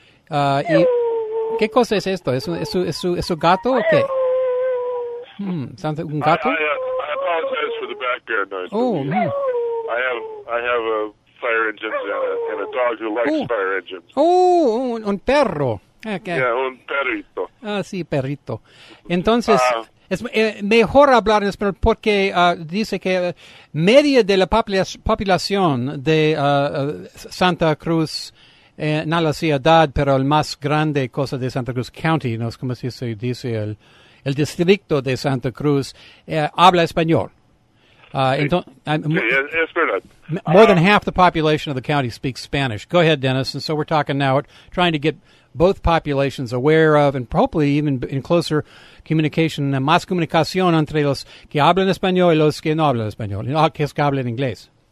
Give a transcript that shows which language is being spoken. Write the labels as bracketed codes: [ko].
[es] Y, ¿qué cosa es esto? ¿Es su gato o qué? ¿Un gato? [en] I apologize for the background noise. Oh, I have a fire engines and a dog who likes fire engines. [es] Oh, un perro. Okay. [en] Yeah, [es] un perrito. Ah, sí, perrito. Entonces, es mejor hablar en español porque dice que media de la población de Santa Cruz, no la ciudad, pero el más grande cosa de Santa Cruz County, no es como se dice el distrito de Santa Cruz, habla español. [en] More than half the population of the county speaks Spanish. Go ahead, Dennis. And so we're talking now, trying to get both populations aware of and probably even in closer communication, [es] más comunicación entre los que hablan español y los que no hablan español, y los que hablan inglés.